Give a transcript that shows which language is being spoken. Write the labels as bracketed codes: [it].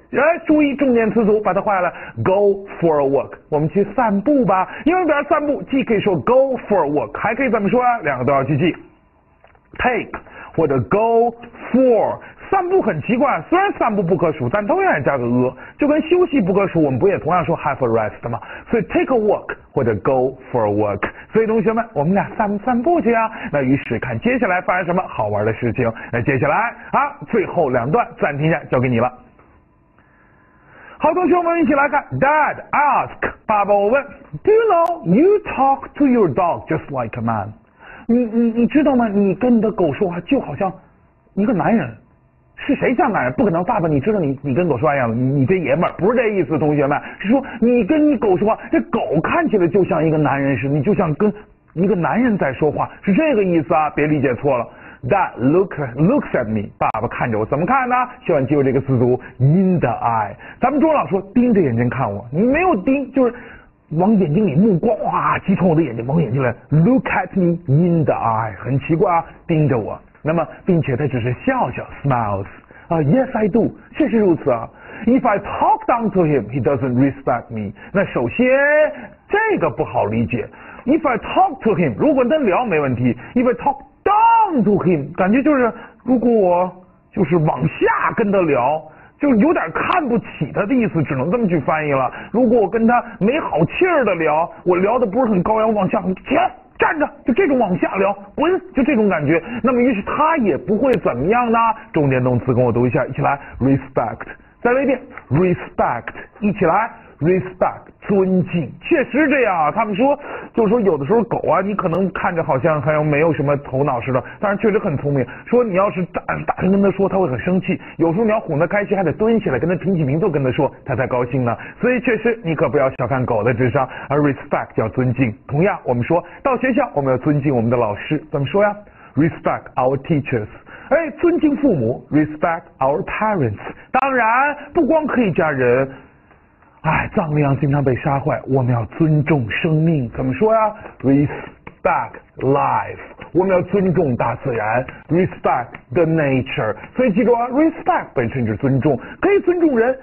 [zh] 哎，注意重点词组，把它画下来 ， [en] go for a walk， [zh] 我们去散步吧。因为表示散步，既可以说 go for a walk， 还可以怎么说啊？两个都要去记 ，take 或者 go for。散步很奇怪，虽然散步不可数，但都愿意加个 a， 就跟休息不可数，我们不也同样说 have a rest 吗？所以 take a walk 或者 go for a walk。所以同学们，我们俩散步去啊。那于是看接下来发生什么好玩的事情。那接下来啊，最后两段暂停一下，交给你了。好，同学，我们一起来看。 [en] Dad ask， [zh] 爸爸我问 [en] ，Do you know you talk to your dog just like a man？ [zh] 你知道吗？你跟你的狗说话就好像一个男人。是谁像男人？不可能，爸爸，你知道你跟狗说话一样，你这爷们儿不是这意思，同学们是说你跟你狗说话，这狗看起来就像一个男人似的，你就像跟一个男人在说话，是这个意思啊，别理解错了。 [en] Dad looks at me， [zh] 爸爸看着我，怎么看呢？希望记住这个词组 in the eye。咱们中文老说盯着眼睛看我，你没有盯，就是往眼睛里目光哇，击穿我的眼睛，往眼睛里 [en] look at me in the eye， [zh] 很奇怪啊，盯着我。那么，并且他只是笑笑 ，smiles。啊 ， [en] yes I do， [zh] 确实如此啊。 [en] If I talk down to him， he doesn't respect me。 [zh] 那首先这个不好理解。 [en] If I talk to him， [zh] 如果能聊没问题。 [en] If I talk down to him， [zh] 感觉就是如果我就是往下跟他聊，就有点看不起他的意思，只能这么去翻译了。如果我跟他没好气儿的聊，我聊的不是很高扬，往下天。站着，就这种往下聊，滚，就这种感觉。那么于是他也不会怎么样呢？重点动词跟我读一下，一起来 ，respect。再来一遍 ，respect。一起来 ，respect， 尊敬。确实这样啊，他们说，就是说有的时候狗啊，你可能看着好像还有没有什么头脑似的，但是确实很聪明。说你要是大声跟他说，他会很生气。有时候你要哄他开心，还得蹲起来跟他平起平坐跟他说，他才高兴呢。所以确实，你可不要小看狗的智商，而 respect 叫尊敬。同样，我们说到学校，我们要尊敬我们的老师，怎么说呀 ？ [en] Respect our teachers。 [zh] 哎，尊敬父母 ， [en] respect our parents。 [zh] 当然，不光可以加人。哎，藏羚羊经常被杀坏，我们要尊重生命。怎么说呀 ？ [en] Respect life， [zh] 我们要尊重大自然 ， [en] respect the nature。 [zh] 所以记住啊 ，respect 本身是尊重，可以尊重人。